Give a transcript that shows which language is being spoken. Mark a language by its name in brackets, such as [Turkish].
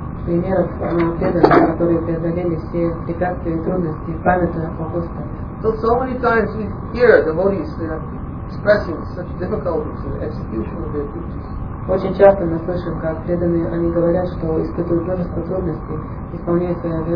[Russian] Примеров преданных, которые преодолели все препятствия и трудности, памятуя о Господе. [English] So many times we hear devotees expressing such difficulties in the execution of their duties. [Russian] Очень часто мы слышим, как преданные, они говорят, что испытывают множество трудностей, исполняя свои